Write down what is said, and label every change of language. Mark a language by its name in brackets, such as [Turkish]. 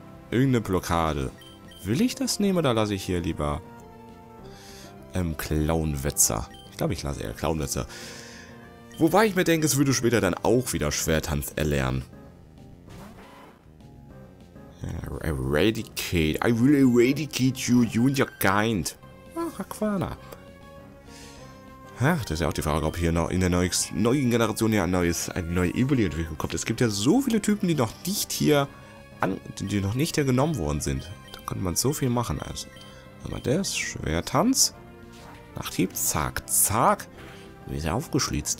[German] Irgendeine Blockade. Will ich das nehmen oder lasse ich hier lieber... Clownwetzer. Ich glaube, ich lasse eher Clownwetzer. Wobei ich mir denke, es würde später dann auch wieder Schwertanz erlernen. [English] Eradicate. I will eradicate you, you and your kind. [German] Ach, Aquana. Ach, das ist ja auch die Frage, ob hier noch in der neuen Generation ja eine neue Evoli-Entwicklung kommt. Es gibt ja so viele Typen, die noch nicht hier genommen worden sind. Da könnte man so viel machen. Also, aber der ist Schwertanz. Nachthieb, zack, zack. Wie ist er aufgeschlitzt?